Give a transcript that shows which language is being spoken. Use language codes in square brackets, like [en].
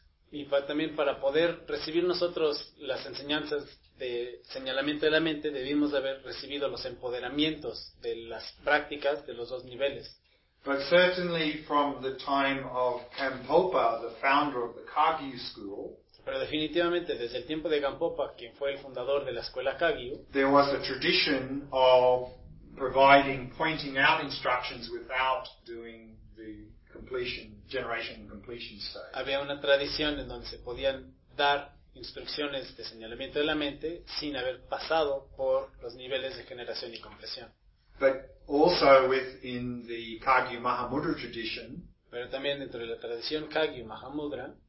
[es] Y también para poder recibir nosotros las enseñanzas de señalamiento de la mente, debimos de haber recibido los empoderamientos de las prácticas de los dos niveles. [en] But certainly from the time of Kampopa, the founder of the Kagyu school. [es] Pero definitivamente desde el tiempo de Kampopa, quien fue el fundador de la escuela Kagyu, [en] there was a tradition of providing pointing out instructions without doing the completion, generation completion stage. [es] Había una tradición en donde se podían dar instrucciones de señalamiento de la mente sin haber pasado por los niveles de generación y compresión. [en] But also within the Kagyu Mahamudra tradition, [es] pero también dentro de la tradición Kagyu Mahamudra,